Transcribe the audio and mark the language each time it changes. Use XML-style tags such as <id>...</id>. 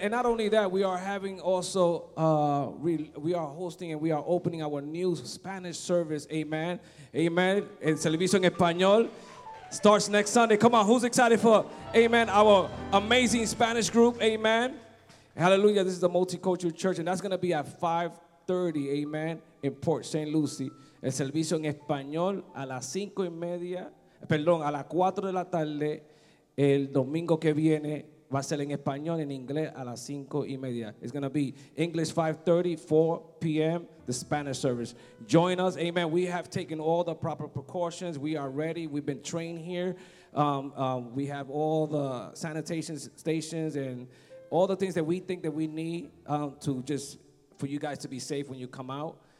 <en>And not only that, we are having also, we are hosting and we are opening our new Spanish service. Amen. Amen.</en> <es>El servicio en español</es> <en>starts next Sunday. Come on, who's excited for, amen, our amazing Spanish group? Amen. Hallelujah. This is a multicultural church, and that's going to be at 5:30, amen, in Port St. Lucie.</en> <es>El servicio en español a las cinco y media, perdón, a las cuatro de la tarde, el domingo que viene. Va a ser en español, en inglés, a las cinco y media.</es> <en>It's going to be English 5:30, 4 p.m., the Spanish service. Join us. Amen. We have taken all the proper precautions. We are ready. We've been trained here. We have all the sanitation stations and all the things that we think that we need to just for you guys to be safe when you come out.</en>